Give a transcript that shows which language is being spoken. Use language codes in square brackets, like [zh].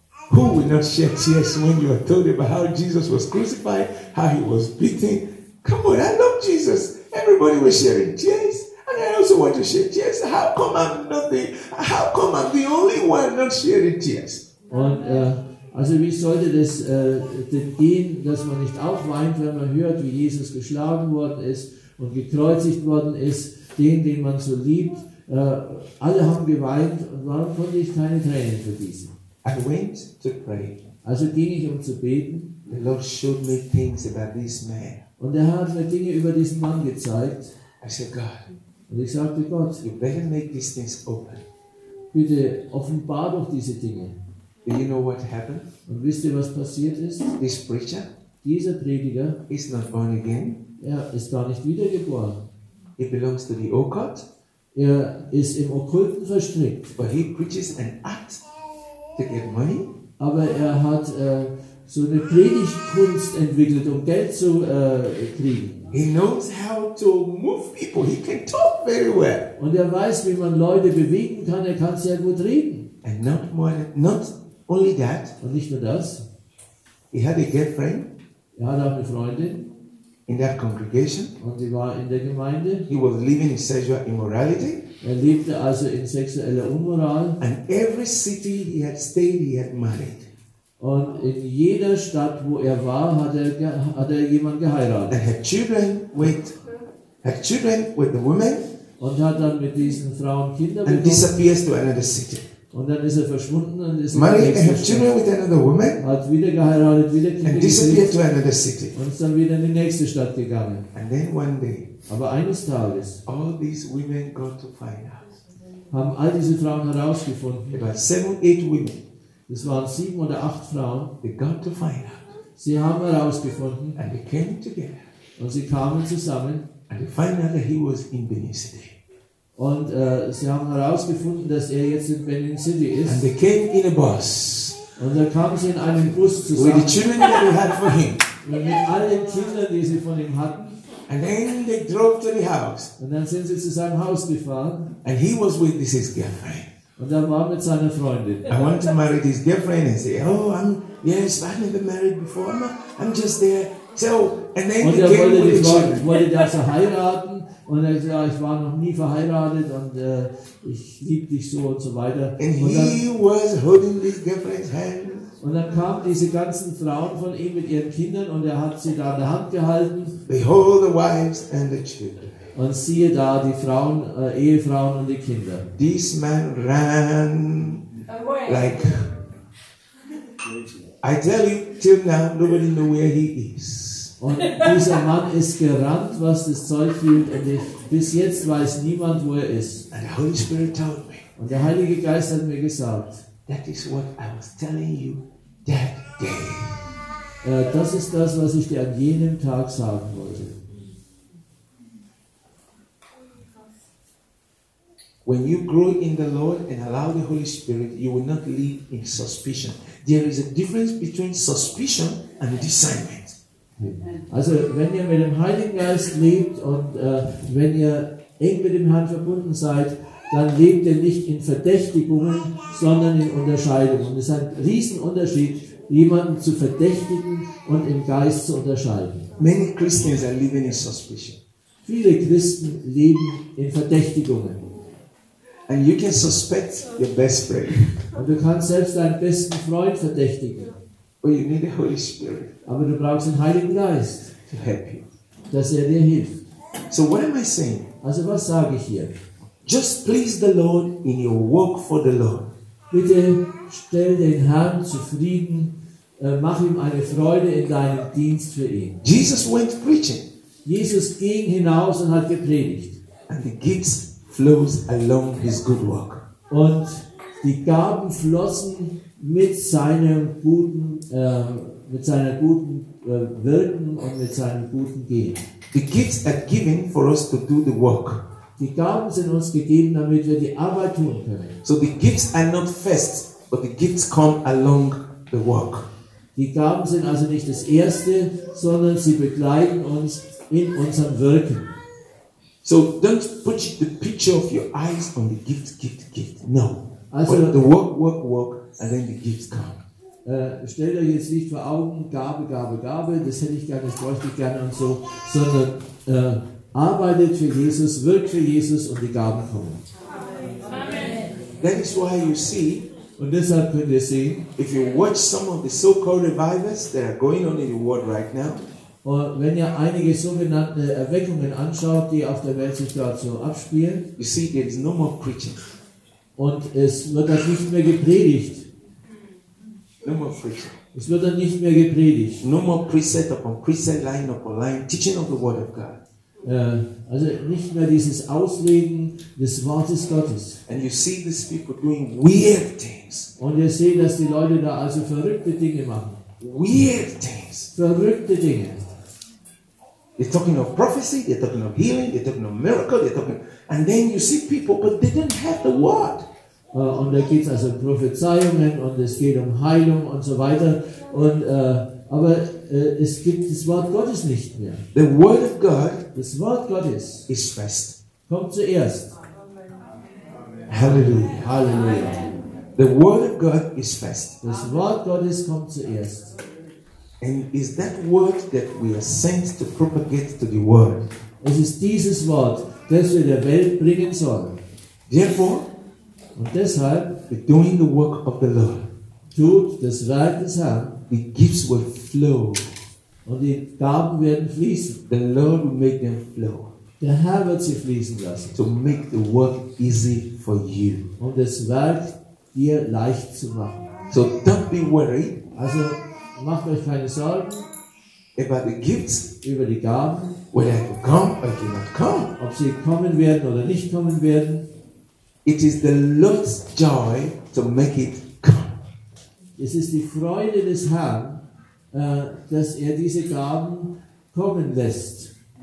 [en] Who will not shed tears when you are told about how Jesus was crucified, how he was beaten? Come on, I love Jesus. Everybody was sharing tears, and I also want to share tears. How come I'm not the? How come I'm the only one not sharing tears? [de] Und also wie sollte das denn gehen, dass man nicht auch weint, wenn man hört, wie Jesus geschlagen worden ist und gekreuzigt worden ist, den man so liebt. Alle haben geweint, und warum konnte ich keine Tränen vergießen? [en] I went to pray. [de] Also ging ich um zu beten. [en] The Lord showed me things about this man. [de] Und der Herr hat mir Dinge über diesen Mann gezeigt. [en] I said, God, [de] und ich sagte, Gott, [en] you better make these things open. [de] Bitte offenbar doch diese Dinge. [en] Do you know what happened? [de] Und wisst ihr, was passiert ist? [en] This preacher, [de] dieser Prediger, [en] is not born again. [de] Er ist gar nicht wiedergeboren. [en] He belongs to the occult. [de] Er ist im Okkulten verstrickt. [en] But he preaches an act to get money. [de] Aber er hat so eine Predigtkunst entwickelt, um Geld zu kriegen. [en] He knows how to move people. He can talk very well. [de] Und er weiß, wie man Leute bewegen kann. Er kann sehr gut reden. [en] And not only that. [de] Und nicht nur das. [en] He had a girlfriend. [de] Er hatte auch eine Freundin. [en] In that congregation. [de] Und sie war in der Gemeinde. [en] He was living in sexual immorality. [de] Er lebte also in sexueller Unmoral. [en] And every city he had stayed, he had married. [de] Und in jeder Stadt, wo er war, hat er jemanden geheiratet. [en] And had children with the woman. [de] Und hat dann mit diesen Frauen Kinder bekommen. [en] And disappears to another city. [de] Und dann ist er verschwunden und ist [en] married and had children with another woman. [de] Hat wieder geheiratet, wieder Kinder. [en] And disappeared to another city. [de] Und ist dann wieder in die nächste Stadt gegangen. [en] And then one day. [de] Aber eines Tages. [en] All these women got to find out. [de] Haben all diese Frauen herausgefunden. [en] About 7-8 women. [de] Es waren 7 oder 8 Frauen. [en] They got to find out. [de] Sie haben herausgefunden. [en] And they came together. [de] Und sie kamen zusammen. [en] And they find out that he was in Benin City. [de] Und sie haben herausgefunden, dass er jetzt in Benin City ist. [en] And they came in a bus. [de] Und da kamen sie in einem Bus zusammen. [en] With the children that they had for him. [de] Und mit all den Kindern, die sie von ihm hatten. [en] And then they drove to the house. [de] Und dann sind sie zu seinem Haus gefahren. [en] And he was with his girlfriend. [de] Und er war mit seiner Freundin. [en] I want to marry this girlfriend and say, oh, I'm, yes, I've never married before. I'm just there So, and then [de] und er wollte, die Frau, wollte das heiraten und er sagte, ja, ich war noch nie verheiratet und ich liebe dich so und so weiter. [en] And [de] und, [en] he was holding his girlfriend's hand. [de] Und dann kamen diese ganzen Frauen von ihm mit ihren Kindern und er hat sie da an der Hand gehalten. [en] Behold the wives and the children. [de] Und siehe da, die Frauen, Ehefrauen und die Kinder. [en] This man ran like... I tell you, till now, nobody knew where he is. [de] Und dieser Mann ist gerannt, was das Zeug hielt, und ich, bis jetzt weiß niemand, wo er ist. [en] And the Holy Spirit told me, [de] und der Heilige Geist hat mir gesagt, [en] that is what I was telling you that day. [de] Das ist das, was ich dir an jenem Tag sagen wollte. [en] When you grow in the Lord and allow the Holy Spirit, you will not live in suspicion. There is a difference between suspicion and discernment. [de] Also, wenn ihr mit dem Heiligen Geist lebt und wenn ihr eng mit dem Herrn verbunden seid, dann lebt ihr nicht in Verdächtigungen, sondern in Unterscheidung. Und es ist ein Riesenunterschied, jemanden zu verdächtigen und im Geist zu unterscheiden. [en] Many Christians are living in suspicion. [de] Viele Christen leben in Verdächtigungen. [en] And you can suspect your best friend. [de] Und du kannst selbst deinen besten Freund verdächtigen. [en] But you need the Holy Spirit. [de] Aber du brauchst den Heiligen Geist, [en] to help you. [de] Dass er dir hilft. [en] So what am I saying? [de] Also was sage ich hier? [en] Just please the Lord in your work for the Lord. [de] Bitte stell den Herrn zufrieden, mach ihm eine Freude in deinem Dienst für ihn. [en] Jesus went preaching. [de] Jesus ging hinaus und hat gepredigt. [en] And the gifts flows along his good work. [de] Und die Gaben flossen mit seinem guten Wirken und mit seinem guten Gehen. [en] The gifts are given for us to do the work. [de] Die Gaben sind uns gegeben, damit wir die Arbeit tun können. [en] So the gifts are not first, but the gifts come along the work. [de] Die Gaben sind also nicht das Erste, sondern sie begleiten uns in unserem Wirken. [en] So don't put the picture of your eyes on the gift, gift, gift. No. [de] Also, [en] but the work, work, work, and then the gifts come. [de] Stellt euch jetzt nicht vor Augen, Gabe, Gabe, Gabe, das hätte ich gerne, das bräuchte ich gerne und so, sondern arbeitet für Jesus, wirkt für Jesus und die Gaben kommen. [en] That is why you see, [de] und deshalb könnt ihr sehen, [en] if you watch some of the so-called revivals that are going on in the world right now, [de] und wenn ihr einige sogenannte Erweckungen anschaut, die auf der Welt sich dort so abspielen, [en] you see, there is no more preaching. [de] Und es wird dann nicht mehr gepredigt. [en] No more preaching. [de] Es wird dann nicht mehr gepredigt. [en] No more preset upon preset, line upon line, teaching of the word of God. [de] Also nicht mehr dieses Auslegen des Wortes Gottes. [en] And you see these people doing weird things. [de] Und ihr seht, dass die Leute da also verrückte Dinge machen. [en] Weird things. [de] Verrückte Dinge. [en] They're talking of prophecy, they're talking of healing, they're talking of miracle, they're talking... And then you see people, but they didn't have the word. [de] Und da geht es also um Prophezeiungen und es geht um Heilung und so weiter. Und, es gibt das Wort Gottes nicht mehr. [en] The word of God, [de] das Wort Gottes, [en] is first. [de] Kommt zuerst. Hallelujah. Hallelujah. [en] The word of God is first. [de] Das Wort Gottes kommt zuerst. [en] And is that word that we are sent to propagate to the world? [de] Es ist dieses Wort, das wir der Welt bringen sollen. [en] Therefore, [de] und deshalb, [en] the doing the work of the Lord, [de] tut das Werk des Herrn, [en] the gifts will flow, [de] und die Gaben werden fließen. [en] The Lord will make them flow. [de] Der Herr wird sie fließen lassen. [en] To make the work easy for you. [de] Um das Werk dir leicht zu machen. [en] So don't be worried. [de] Also macht euch keine Sorgen [en] about the gifts, [de] über die Gaben, [en] whether they come or they not come, [de] ob sie kommen werden oder nicht kommen werden. [en] It is the Lord's joy to make it come. [de] Es ist die Freude des Herrn, dass er diese Gaben kommen lässt.